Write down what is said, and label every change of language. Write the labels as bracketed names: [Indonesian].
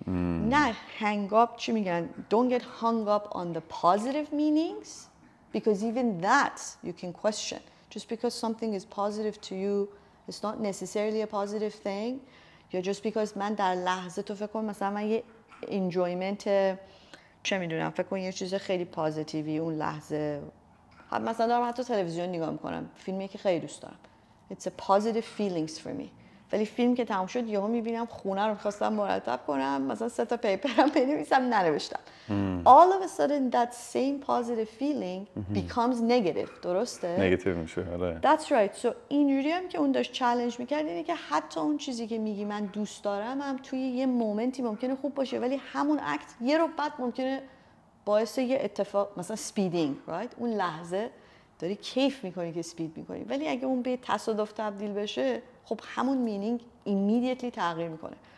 [Persian] نه [English] hang up، [Persian] چی میگن؟ [English] Don't get hung up on the positive meanings because even that you can question. Just because something is positive to you, it's not necessarily a positive thing. [Persian] یا [English] just because [Persian] من در لحظه تو فکر کنم مثلا من یه enjoyment چه میدونم، فکر کنم یه چیز خیلی پازیتیوی اون لحظه، مثلا دارم حتی تلویزیون نگاه میکنم، فیلمی که خیلی دوست دارم، [English] it's a positive feelings for me. [Persian] ولی فیلم که تموم شد یهو میبینم خونه رو می‌خواستم مرتب کنم، مثلا سه تا پیپرم بنویسم ننوشتم. [English] All of a sudden that same positive feeling becomes negative. [Persian] درسته؟ نگاتیو میشه. آره. [English] That's right. [Persian] So اینجوری هم که اون داشت چالش می‌کرد اینه که حتی اون چیزی که میگی من دوست دارم هم توی یه مومنتی ممکنه خوب باشه، ولی همون اکت یه رو بعد ممکنه باعث یه اتفاق، مثلا speeding، [English] right؟ [Persian] اون لحظه داری کیف می‌کنی که speed می‌کنی، ولی اگه اون به تصادف تبدیل بشه، خب همون مینینگ ایمیدیتلی تغییر میکنه.